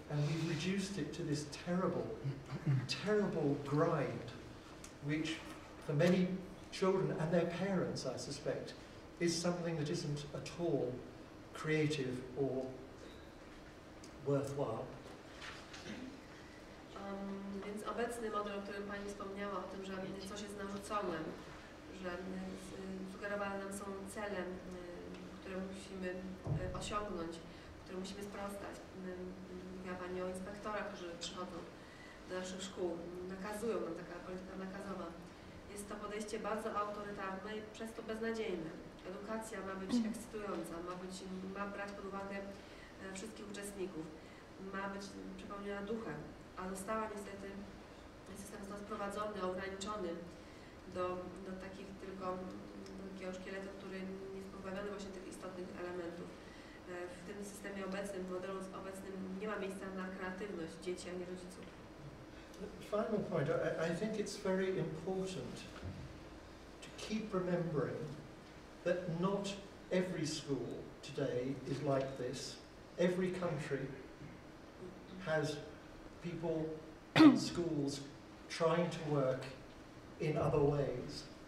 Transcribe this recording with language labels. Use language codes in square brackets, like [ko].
[en] And we've reduced it to this terrible, terrible grind, which for many children and their parents, I suspect, is something that isn't at all creative or worthwhile. [pl] Więc obecny model, o którym Pani wspomniała, o tym, że coś jest narzucone, że sugerowane nam są cele, które musimy osiągnąć, które musimy sprostać. Mówiła Pani o inspektorach, którzy przychodzą do naszych szkół, nakazują nam, taka polityka nakazowa. Jest to podejście bardzo autorytarne i przez to beznadziejne. Edukacja ma być ekscytująca, ma brać pod uwagę wszystkich uczestników, ma być przepełniona duchem. A została niestety, system został sprowadzony, ograniczony do takich tylko, do takiego szkieletu, który nie jest pozbawiony właśnie tych istotnych elementów. W tym systemie obecnym, w modelu obecnym nie ma miejsca na kreatywność dzieci, a nie rodziców. [en] Final point, I think it's very important to keep remembering that not every school today is like this. Every country has people in schools trying to work in other ways.